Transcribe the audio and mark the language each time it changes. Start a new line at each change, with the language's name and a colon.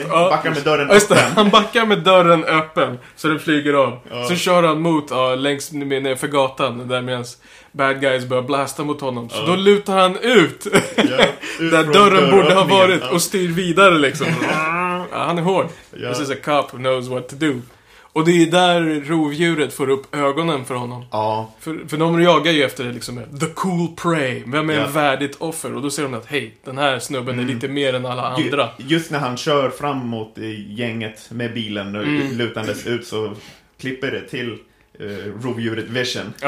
Swedish: backar med dörren öppen. Han backar med dörren öppen så den flyger av. Så kör han mot längs ner för gatan där med ens bad guys börjar blasta mot honom. Så då lutar han ut, ut där dörren borde ha varit och styr vidare liksom. Han är hård.
English: This is a cop who knows what to do.
Swedish: Och det är där rovdjuret får upp ögonen för honom. För de jagar ju efter det liksom,
English: the cool prey.
Swedish: Vem är en värdigt offer? Och då ser de att hej, den här snubben är lite mer än alla andra. Just när han kör fram mot gänget med bilen och lutandes ut, så klipper det till rovdjuret Vision.